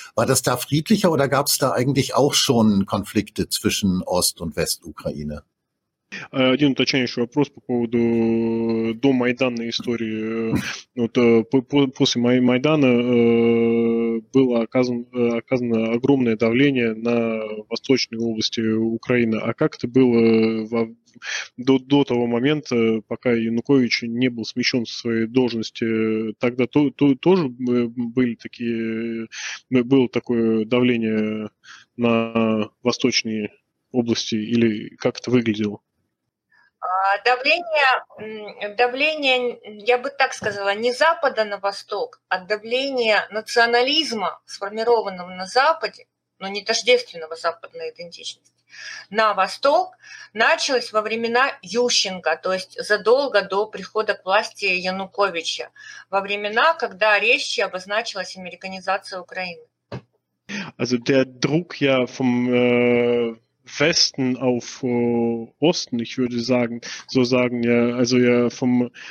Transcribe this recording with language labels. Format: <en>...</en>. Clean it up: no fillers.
<de>War das da friedlicher oder gab es da eigentlich auch schon Konflikte zwischen Ost- und Westukraine?</de> <ru>Один уточняющий вопрос по поводу до Майданной истории. Вот, после Майдана было оказано огромное давление на восточные области Украины. А как это было до того момента, пока Янукович не был смещен со своей должности? Тогда тоже было такое давление на восточные области? Или как это выглядело? Давление, я бы так сказала, не Запада на Восток, а давление национализма, сформированного на Западе, но не тождественного западной идентичности, на Восток, началось во времена Ющенко, то есть задолго до прихода к власти Януковича, во времена, когда резче обозначилась американизация Украины.</ru> <de>Also der Druck ja vom Westen auf Osten, ich würde sagen, so sagen, ja, also ja vom</de>